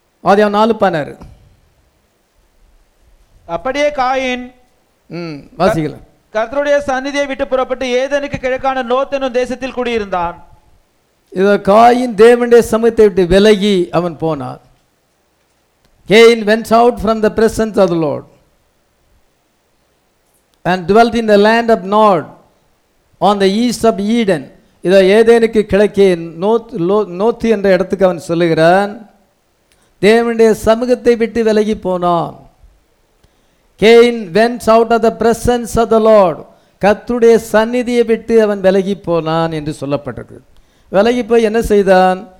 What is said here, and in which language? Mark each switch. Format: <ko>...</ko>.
<ta>அது அவன் 4 அப்படியே காயின் வாசிக்கலாம், கர்த்தருடைய சந்நிதியை விட்டு புறப்பட்டு ஏதனுக்கு கிழக்கான நோத் என்னும் தேசத்தில் குடியிருந்தான். இதோ காயின் தேவனுடைய சமூகத்தை விட்டு விலகி அவன் போனான்.</ta> <en>Cain went out from the presence of the Lord and dwelt in the land of Nod on the east of Eden.</en> <ta>இதோ ஏதேனுக்கு கிழக்கே, நோத்து என்ற இடத்துக்கு அவன் சொல்லுகிறான், தேவனுடைய சமூகத்தை விட்டு விலகி போனான்.</ta> <en>Cain went out of the presence of the Lord,</en> <ta>கர்த்தருடைய சந்நிதியை விட்டு அவன் விலகி போனான் என்று சொல்லப்பட்டிருக்கு. விலகி போய் என்ன செய்தான்?</ta>